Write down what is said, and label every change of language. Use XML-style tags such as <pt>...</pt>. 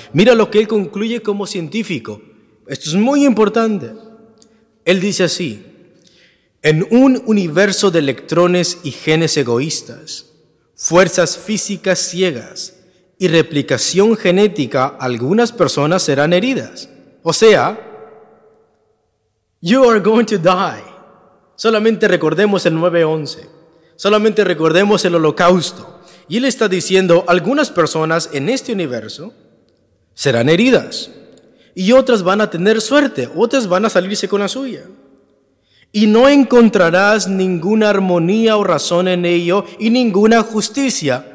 <es>Mira lo que él concluye como científico. Esto es muy importante. Él dice así. En un universo de electrones y genes egoístas, fuerzas físicas ciegas y replicación genética, algunas personas serán heridas. O sea,</es> <en>you are going to die.</en> <es>Solamente recordemos el 9-11. Solamente recordemos el holocausto. Y él está diciendo, algunas personas en este universo serán heridas y otras van a tener suerte, otras van a salirse con la suya. Y no encontrarás ninguna armonía o razón en ello y ninguna justicia.</es>